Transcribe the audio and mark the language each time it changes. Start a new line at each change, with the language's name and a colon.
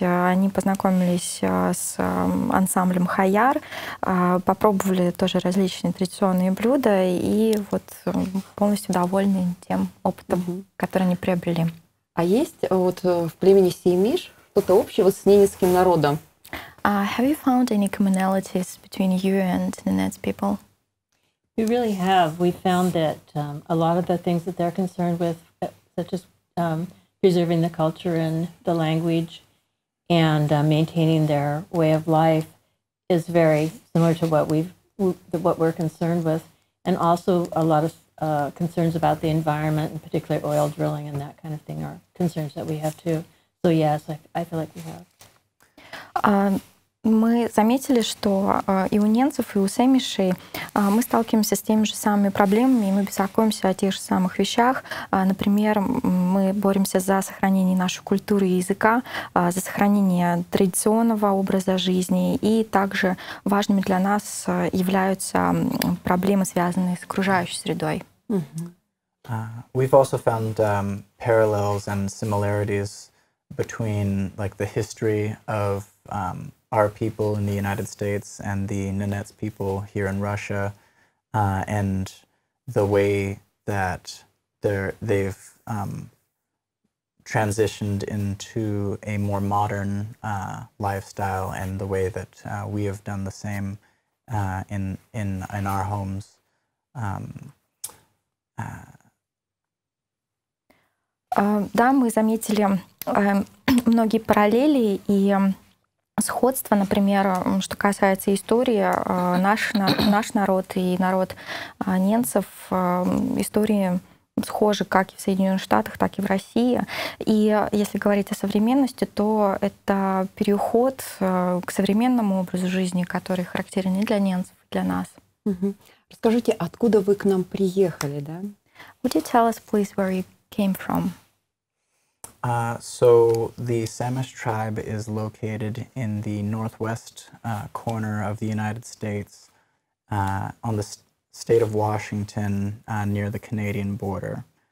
Russian: Они познакомились с ансамблем Хаяр, попробовали тоже различные традиционные блюда и вот полностью довольны тем опытом, который они приобрели. А есть вот в племени Сеймиш что-то общее вот с ненецким народом?
English: Have you found any commonalities between you and the Nenets people? We really have. We found that a lot of the things that they're concerned with, such as preserving the culture and the language and maintaining their way of life, is very similar to what we're concerned with, and also a lot of concerns about the environment, in particular oil drilling and that kind of thing, are concerns that we have too. So yes, I feel like we have.
Russian: Мы заметили, что и у ненцев, и у сэмишей мы сталкиваемся с теми же самыми проблемами, и мы беспокоимся о тех же самых вещах. Например, мы боремся за сохранение нашей культуры и языка, за сохранение традиционного образа жизни, и также важными для нас являются проблемы, связанные с окружающей средой.
English: We've also found parallels and similarities between like the history of our people in the United States and the Nenets people here in Russia, and the way that they've transitioned into a more modern lifestyle, and the way that we have done the same in our homes.
Russian: Да, мы заметили многие параллели и сходство, например, что касается истории, наш народ и народ ненцев, истории схожи как и в Соединенных Штатах, так и в России. И если говорить о современности, то это переход к современному образу жизни, который характерен и для ненцев, и для нас. Расскажите, откуда вы к нам приехали, да?
English: Would you tell us, please, where you came from? So the Samish tribe is located in the northwest corner of the United States, on the state of Washington, near the Canadian border.